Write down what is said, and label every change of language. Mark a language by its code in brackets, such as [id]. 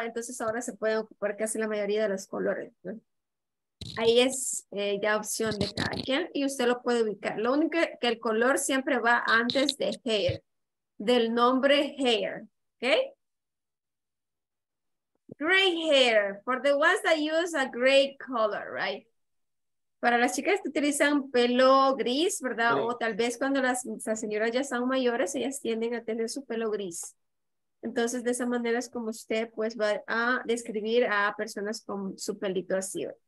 [es] Entonces ahora se pueden ocupar casi la mayoría de los colores, ¿no? Ahí es ya opción de cada quien y usted lo puede ubicar. Lo único que el color siempre va antes de hair, del nombre hair, ¿ok? [en] Gray hair, for the ones that use a gray color, right? [es] Para las chicas que utilizan pelo gris, ¿verdad? Sí. O tal vez cuando las señoras ya son mayores, ellas tienden a tener su pelo gris. Entonces, de esa manera es como usted pues va a describir a personas con su pelito así.